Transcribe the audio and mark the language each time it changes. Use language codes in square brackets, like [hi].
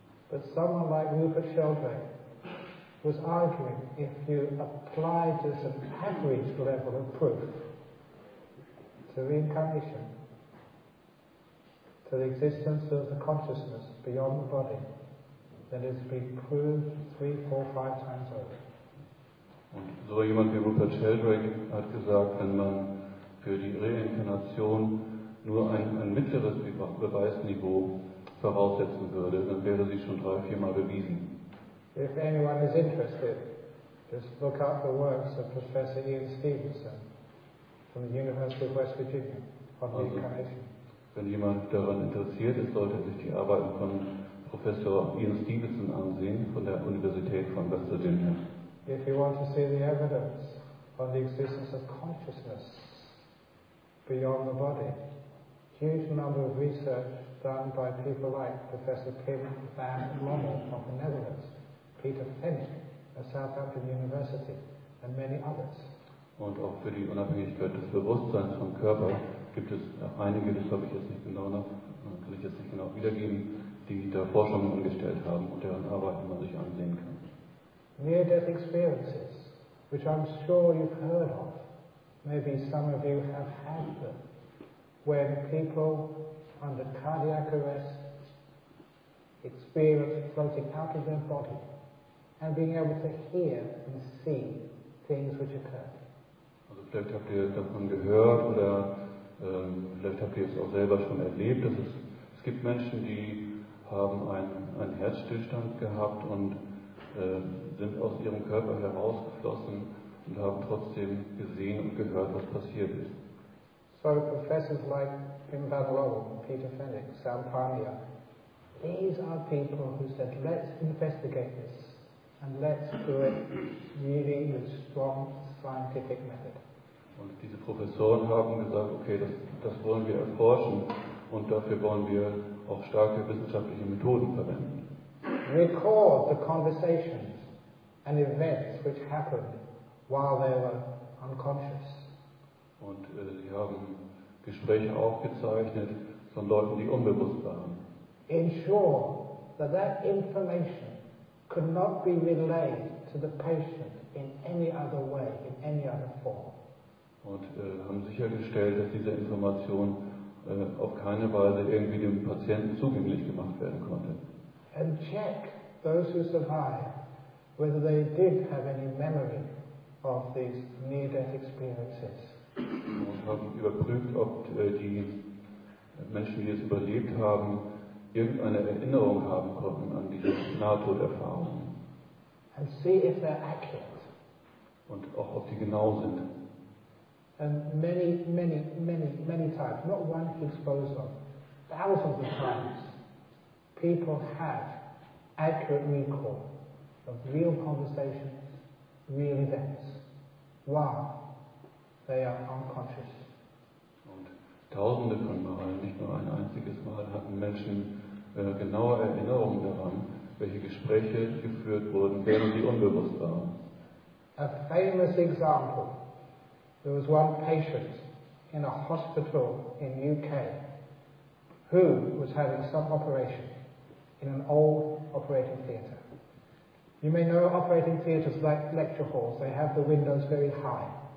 [en] But someone like Rupert Sheldrake was arguing, if you apply just an average level of proof to reincarnation, to the existence of the consciousness beyond the body, then it's been proved 3, 4, 5 times over. [de] Und so jemand wie Rupert Sheldrake hat gesagt, wenn man für die Reinkarnation nur ein mittleres Beweisniveau voraussetzen würde, dann wäre sie schon 3, 4 Mal bewiesen. [en] If anyone is interested, just look up the works of Professor Ian Stevenson from the University of West Virginia on reincarnation. [de] Wenn jemand daran interessiert ist, sollte sich die Arbeiten von Professor Ian Stevenson ansehen von der Universität von West Virginia. [en] If you want to see the evidence on the existence of consciousness beyond the body. Huge number of research done by people like Professor Pim van Lommel from the Netherlands, Peter Finch at Southampton University, and many others. [de] Und auch für die Unabhängigkeit des Bewusstseins vom Körper gibt es einige, das habe ich jetzt nicht genau noch, kann ich jetzt nicht genau wiedergeben, die da Forschungen angestellt haben und deren Arbeiten man sich ansehen kann. [en] Near-death experiences, which I'm sure you've heard of. Maybe some of you have had them, when people under cardiac arrest experience floating out of their body and being able to hear and see things which occur. [de] Also vielleicht habt ihr davon gehört oder vielleicht habt ihr es auch selber schon erlebt, dass es gibt Menschen, die haben einen Herzstillstand gehabt und sind aus ihrem Körper herausgeflossen und haben trotzdem gesehen und gehört, was passiert ist. [en] So professors like Pim Vavilov, Peter Fenwick, Sam Parmia, these are people who said, let's investigate this and let's do it really with strong scientific method. [de] Und diese Professoren haben gesagt, okay, das wollen wir erforschen und dafür wollen wir auch starke wissenschaftliche Methoden verwenden. [en] Record the conversations and events which happened while they were unconscious. [de] Und sie haben Gespräche aufgezeichnet von Leuten, die unbewusst waren. [en] Ensure that that information could not be relayed to the patient in any other way, in any other form. [de] Und haben sichergestellt, dass diese Information auf keine Weise irgendwie dem Patienten zugänglich gemacht werden konnte. [en] And check those who survived whether they did have any memory of these near-death experiences. [de] Und haben überprüft, ob die Menschen, die es überlebt haben, irgendeine Erinnerung haben konnten an diese Nahtoderfahrungen. [en] And see if they're accurate. [de] Und auch, ob die genau sind. [en] And many, many, many, many times, not one Higgs boson, thousands of times, people have accurate recall of real conversations, real events, while they are unconscious. [de] Und tausende von Malen, nicht nur ein einziges Mal, hatten Menschen genaue Erinnerungen daran, welche Gespräche geführt wurden, während sie unbewusst waren. [en] A famous example. There was one patient in a hospital in UK who was having some operation in an old operating theatre. You may know operating theatres like lecture halls. They have the windows very high.